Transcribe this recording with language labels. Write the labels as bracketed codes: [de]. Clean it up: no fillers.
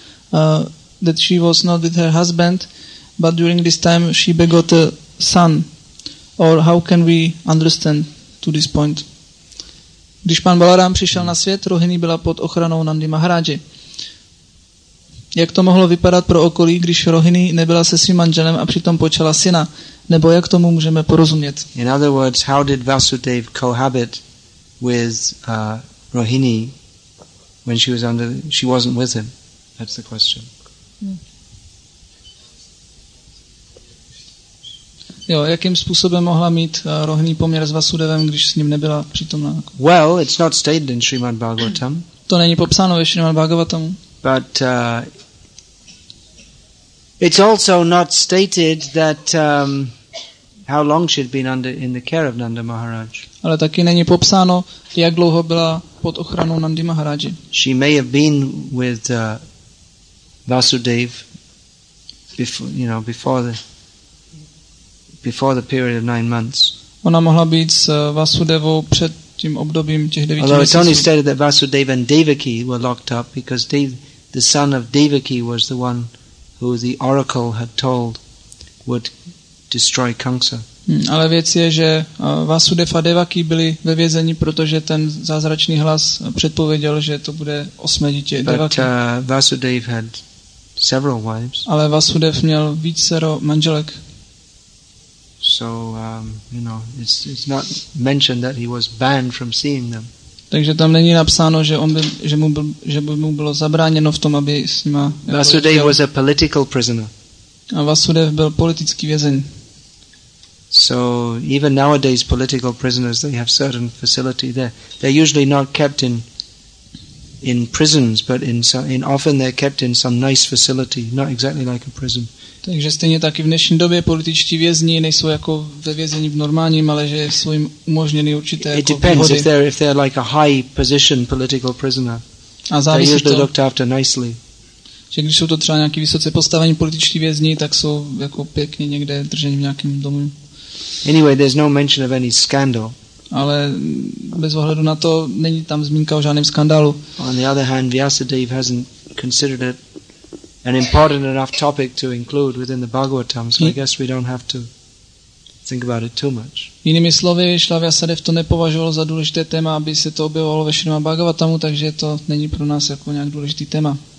[en] That she was not with her husband, but during this time she begot a son. Or how can we understand to this point? [cs] Když pan Balarám přišel na svět, Rohini byla pod ochranou Nandy Maharadži. Jak to mohlo vypadat pro okolí, když Rohini nebyla se svým manželem a přitom počala syna? Nebo jak tomu můžeme porozumět? [en] In other words, how did Vasudev cohabit with Rohini when she was under, she wasn't with him? That's the question. [cs] Jo, jakým způsobem mohla mít Rohini poměr s Vasudevem, když s ním nebyla přítomná? [en] Well, it's not stated in Srimad Bhagavatam. [cs] To není popsáno ve Srimad Bhagavatam. [en] But it's also not stated that how long she'd been under in the care of Nanda Maharaj. [cs] Ale taky není popsáno, jak dlouho byla pod ochranou Nandy Maharaji. [en] She may have been with Vasudev before, you know, before the period of 9 months. [cs] Ona mohla být s Vasudevou před tím obdobím těch 9 měsíců. [en] Although it's only stated that Vasudev and Devaki were locked up because the son of Devaki was the one who the oracle had told would destroy Kamsa. [cs] Ale věc je, že Vasudev a Devaki byli ve vězení, protože ten zázračný hlas předpověděl, že to bude osmé dítě Devaki. [en] But Vasudev had several wives. [cs] Ale Vasudev měl vícero manželek. [en] So you know, it's not mentioned that he was banned from seeing them. [cs] Takže tam není napsáno, že on by, že by mu bylo zabráněno v tom, aby s nima. [en] Vasudev was a political prisoner. [cs] A Vasudev byl politický vězeň. [en] So even nowadays political prisoners, they have certain facility there. They're usually not kept in prisons, but in often they're kept in some nice facility, not exactly like a prison. [cs] Takže stejně tak i v dnešní době političtí vězni nejsou jako ve vězení v normálním, ale že jsou jim umožněny určité výhody. [en] It depends if they're like a high position political prisoner. [cs] A závisí to. [en] They're looked after nicely. [cs] Že když jsou to třeba nějaký vysoce postavení političtí vězni, tak jsou jako pěkně někde drženi v nějakém domě. [en] Anyway, there's no mention of any scandal. [cs] Ale bez ohledu na to není tam zmínka o žádném skandálu. [en] On the other hand, Vyasadeva hasn't considered it an important enough topic to include within the Bhagavatam, so I guess we don't have to think about it too much. [cs] Jinými slovy, Vyasadeva to nepovažoval za důležité téma, aby se to objevovalo ve Srimad Bhagavatamu, takže to není pro nás jako nějak důležitý téma.